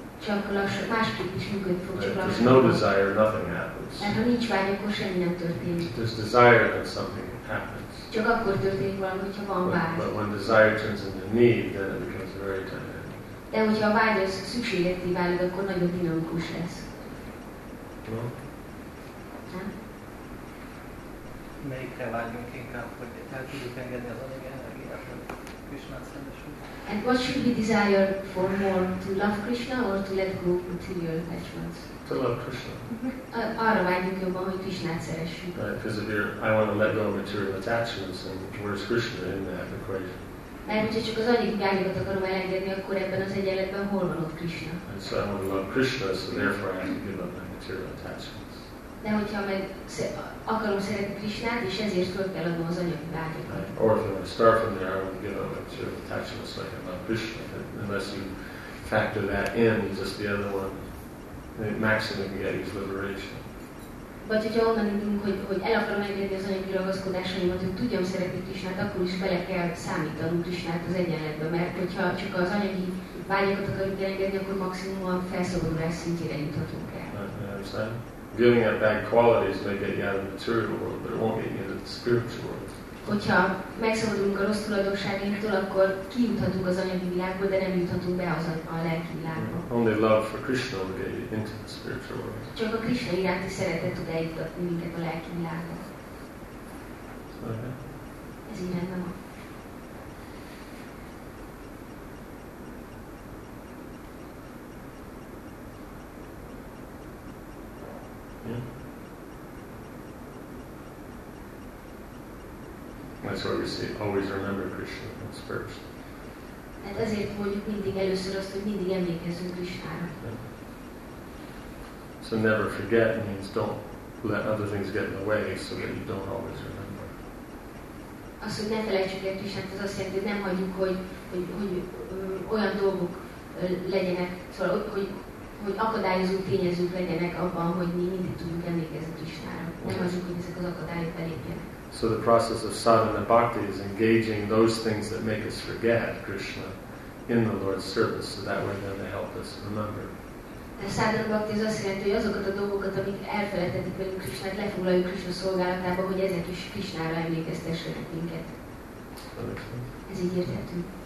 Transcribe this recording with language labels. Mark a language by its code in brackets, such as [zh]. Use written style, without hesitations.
[hu] Csak lassan, másképp is működni fog, csak lassan. [en] No desire, nothing happens. [hu] Mert ha nincs vágy, akkor semmi nem történik. [en] There's desire, then something happens. [hu] Csak akkor történik valami, hogyha van vágy. [en] But when desire turns into need, then it becomes very dynamic. [hu] De hogyha a vágy az szükségletté válik, akkor nagyon dinamikus lesz. [en] No? [hu] Ha? Melyikre vágyunk inkább, hogy el tudjuk engedni az anyagi energiát, hogy Krisnát szembesül? [en] And what should we desire for more, to love Krishna or to let go of material attachments? To love Krishna. [hu] Arra vágyunk jobban, hogy Krishnát szeressük. [en] Because if I want to let go of material attachments, then where's Krishna in that equation? [hu] Mert hogyha csak az anyagi vágyakat akarom elengedni, akkor ebben az egyenletben hol van ott Krishna? [en] And so I want to love Krishna, so therefore I have to give up my material attachments. [hu] De hogyha meg akarom szeretni Krisnát, és ezért föl kell adnom az anyagi vágyakat. [en] Or if I start from there, I would give up material attachments like I love Krishna. Unless you factor that in, just the other one, the maximum you get is liberation. [hu] Vagy hogyha onnan indulunk, hogy el akarom engedni az anyagi ragaszkodásaimat, hogy tudjam szeretni Krisnát, akkor is bele kell számítanunk Krisnát az egyenletbe. Mert hogyha csak az anyagi vágyakat akarjuk elengedni, akkor maximum a felszabadulás szintjére juthatunk el. [en] Giving up bad qualities may get you out of the material world, but it won't get you into the spiritual world. [hu] Hogyha megszabadulunk a rossz tulajdonságainktól, akkor kijuthatunk az anyagi világból, de nem juthatunk be az a lelki világba. [en] Only love for Krishna will get you into the spiritual world. [hu] Csak a Krishna iránti szeretet tud eljutatni minket a lelki világba. [en] Okay. [hu] Ez így rendben van. [en] That's why we say always remember Krishna. That's first. [hu] Hát ezért mondjuk mindig először azt, hogy mindig emlékezzünk Krisnára. [en] So never forget means don't let other things get in the way so that you don't always remember. [hu] Azt, hogy ne felejtsük el Krisnát, az azt jelenti, hogy nem hagyjuk, hogy olyan dolgok legyenek, szóval hogy akadályozó tényezők legyenek abban, hogy mi mindig tudjuk emlékezni Krisnára. Nem hagyjuk, hogy ezek az akadályok belépjenek. [en] So the process of sadhana bhakti is engaging those things that make us forget Krishna in the Lord's service, so that way then they help us remember. [hu] De sadhana bhakti az azt jelenti, hogy azokat a dolgokat, amik elfelejtettük velünk Krishnát, lefoglaljuk Krishna szolgálatába, hogy ezek is Krishnára emlékeztessenek minket. Ez így érthető.